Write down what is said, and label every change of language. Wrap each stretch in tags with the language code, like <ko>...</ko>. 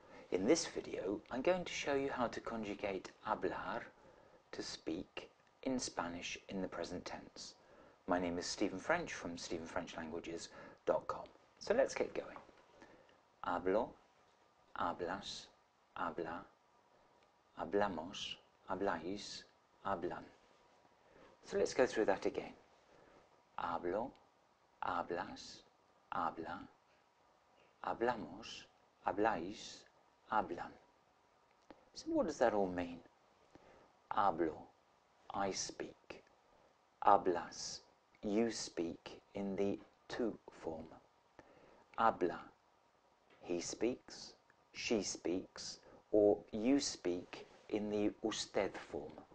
<en>In this video, I'm going to show you how to conjugate hablar, to speak, in Spanish in the present tense. My name is Stephen French from StephenFrenchLanguages.com. So let's get going.</en> <es>Hablo, hablas, habla, hablamos, habláis, hablan.</es> <en>So let's go through that again.</en> <es>Hablo, hablas, habla, hablamos, habláis, hablan.</es> <en>So what does that all mean? Hablo, I speak. Hablas, you speak in the to form. Habla, he speaks, she speaks, or you speak in the usted form.</en>